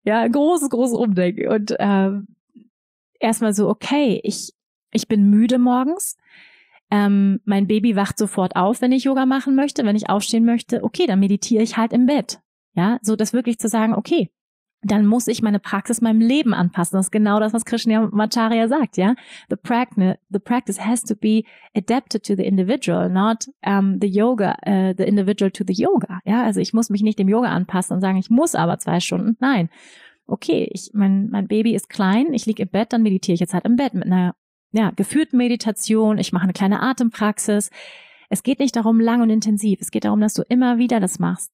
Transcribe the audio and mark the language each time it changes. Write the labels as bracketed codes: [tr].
[de] Ja, ein großes Umdenken. Und erstmal so, okay, ich bin müde morgens, mein Baby wacht sofort auf, wenn ich Yoga machen möchte, wenn ich aufstehen möchte, okay, dann meditiere ich halt im Bett. Ja, so das wirklich zu sagen, okay, dann muss ich meine Praxis meinem Leben anpassen. Das ist genau das, was Krishnamacharya sagt, ja. [en] The practice has to be adapted to the individual, not the yoga, the individual to the yoga. [de] Ja, also ich muss mich nicht dem Yoga anpassen und sagen, ich muss aber 2 Stunden, nein. Okay, mein Baby ist klein, ich liege im Bett, dann meditiere ich jetzt halt im Bett mit einer geführten Meditation, ich mache eine kleine Atempraxis. Es geht nicht darum, lang und intensiv. Es geht darum, dass du immer wieder das machst.